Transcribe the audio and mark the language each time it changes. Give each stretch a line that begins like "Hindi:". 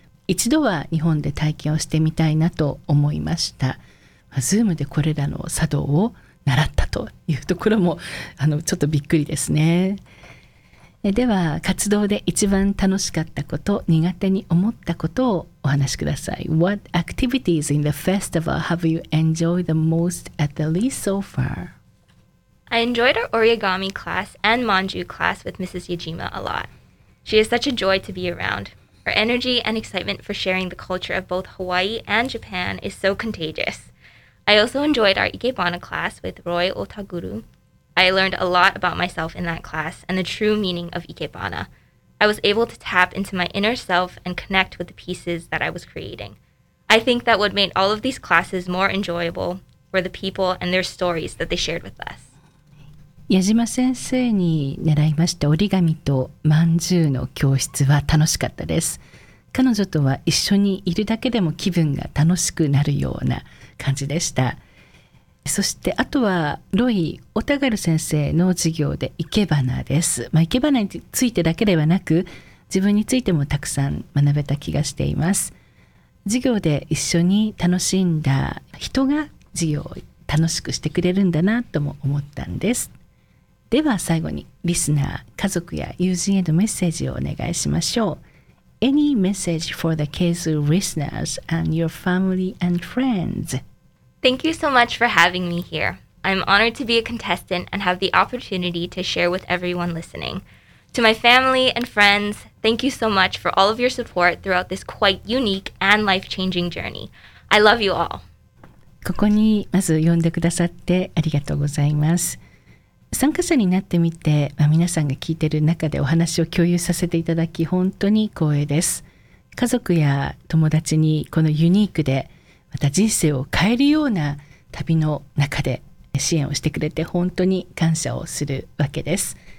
Japanese: 一度は日本で体験をしてみたいなと思いました。 Zoom でこれらの茶道を習ったというところもちょっとびっくりですね。では活動で一番楽しかったこと、苦手に思ったことをお話しください。
English: What activities in the festival have you enjoyed the most at the least so far? I enjoyed our origami class and manju class with Mrs. Yajima a lot. She is such a joy to be around. Her energy and excitement for sharing the culture of both Hawaii and Japan is so contagious. I also enjoyed our Ikebana class with Roy Otaguru. I learned a lot about myself in that class and the true meaning of Ikebana. I was able to tap into my inner self and connect with the pieces that I was creating. I think that what made all of these classes more enjoyable were the people and their stories that they shared with us.
Japanese: 矢島先生に習いました折り紙とまんじゅうの教室は楽しかったです。彼女とは一緒にいるだけでも気分が楽しくなるような感じでした。そしてあとはロイ・オタガル先生の授業でいけばなです。まあ、いけばなについてだけではなく、自分についてもたくさん学べた気がしています。授業で一緒に楽しんだ人が授業を楽しくしてくれるんだなとも思ったんです。では最後にリスナー、家族や友人へのメッセージをお願いしましょう。
English: Any message for the KZU listeners and your family and friends? Thank you so much for having me here. I'm honored to be a contestant and have the opportunity to share with everyone listening. To my family and friends, thank you so much for all of your support throughout this quite unique and life-changing journey. I love you all.
Japanese: ここにまず呼んでくださってありがとうございます。参加者になってみて、まあ、皆さんが聞いている中でお話を共有させていただき本当に光栄です。家族や友達にこのユニークでまた人生を変えるような旅の中で支援をしてくれて本当に感謝をするわけです。